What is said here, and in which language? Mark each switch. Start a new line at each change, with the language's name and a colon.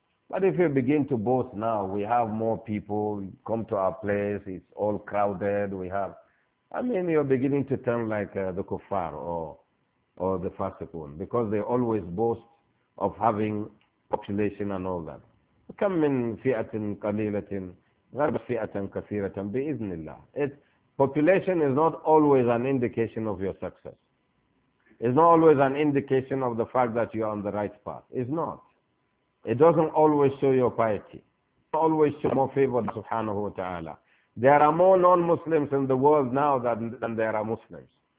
English: But if you begin to boast, now we have more people, come to our place, it's all crowded, you're beginning to turn like the kuffar or the fasiq one, because they always boast of having population and all that.
Arabic: كم من فئة قليلة غلب فئة كثيرة بإذن الله.
English: Population is not always an indication of your success. It's not always an indication of the fact that you are on the right path. It's not. It doesn't always show your piety. It doesn't always show more favor than Subhanahu wa Taala. There are more non-Muslims in the world now than there are Muslims.